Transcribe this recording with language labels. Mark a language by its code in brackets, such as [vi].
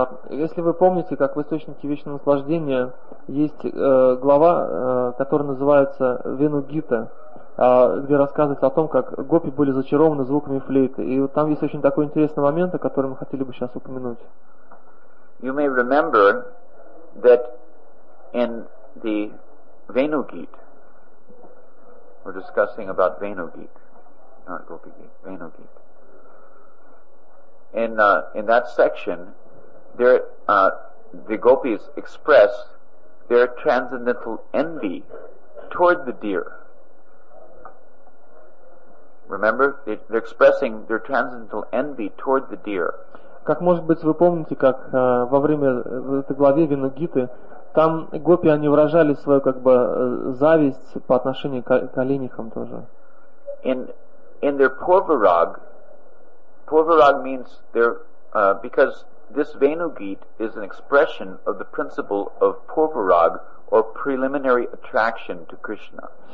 [ru] Если вы помните, как в источнике вечного наслаждения есть глава, которая называется Venu Geeta, где рассказывается о том, как гопи были зачарованы звуками флейты. И вот там есть очень такой интересный момент, о котором мы хотели бы сейчас упомянуть. [en] You may remember that in the Venu Geet, we're discussing about Venu Geet, not Gopi Geet, Venu Geet. In that section, there the gopis express their transcendental envy toward the deer. Remember, they're expressing their transcendental envy toward the deer. [ru] Как может быть вы помните, как во время в этой главе Venu Geeta там гопи они выражали свою как бы зависть по отношению к оленихам тоже. [en] In their purvarag means their because this Venu Geeta is an expression of the principle of purvarag, or preliminary attraction to Krishna.